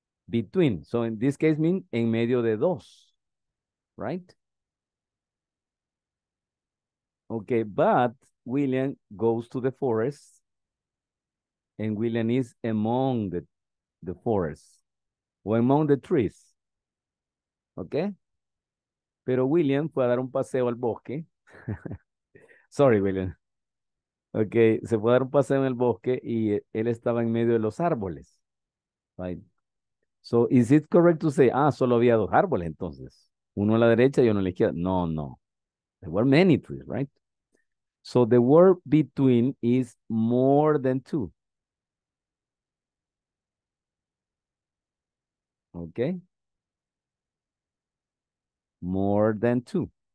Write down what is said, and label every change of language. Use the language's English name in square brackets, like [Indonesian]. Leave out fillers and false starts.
[English] Between, so in this case, mean [Spanish] en medio de dos, [English] right? Okay, but William goes to the forest. And William is among the forest or among the trees. Okay? [Spanish] Pero William fue a dar un paseo al bosque. [English] Sorry, William. [Spanish] Okay, se fue a dar un paseo en el bosque y él estaba en medio de los árboles. [English] Right? So, is it correct to say, [Spanish] solo había dos árboles entonces? Uno a la derecha y uno a la izquierda. No. [English] There were many trees, right? So the word between is more than two. Okay. More than two.